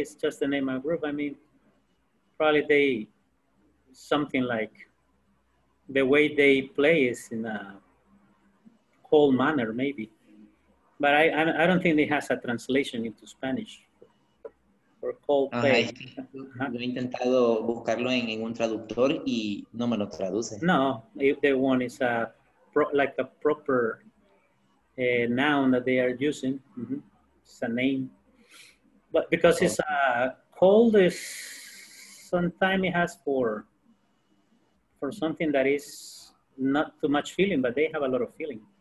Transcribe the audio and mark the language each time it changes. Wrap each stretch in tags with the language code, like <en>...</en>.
<en>It's just the name of the group. I mean, probably they, something like the way they play is in a whole manner, maybe. But I don't think it has a translation into Spanish. Or Coldplay.</en> <es>Yo he intentado buscarlo en un traductor y no me lo traduce.</es> <en>No, if the one is a like a proper noun that they are using. Mm-hmm. It's a name. But because it's a cold, is sometimes it has for something that is not too much feeling, but they have a lot of feeling.</en>